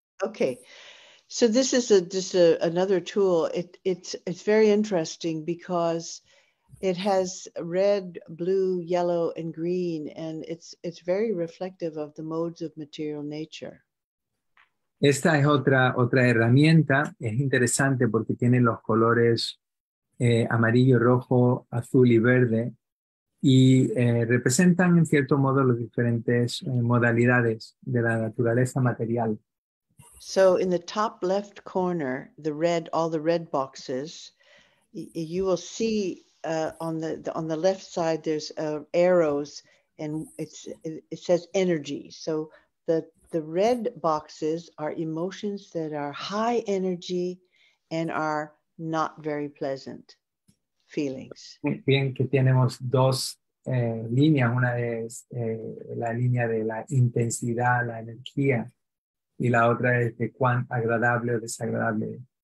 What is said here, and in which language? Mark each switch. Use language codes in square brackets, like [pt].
[en] Okay. So this is another tool. It's very interesting because it has red, blue, yellow, and green, and it's very reflective of the modes of material nature. [es] Esta es otra herramienta. Es interesante porque tiene los colores amarillo, rojo, azul y verde. Y representan en cierto modo las diferentes modalidades de la naturaleza material. [en] So in the top left corner, the red, all the red boxes, you will see on the left side there's arrows and it says energy. So the red boxes are emotions that are high energy and are not very pleasant feelings. [es] Bien que tenemos dos líneas, una es la línea de la intensidad, la energía, y la otra es de cuán agradable o desagradable.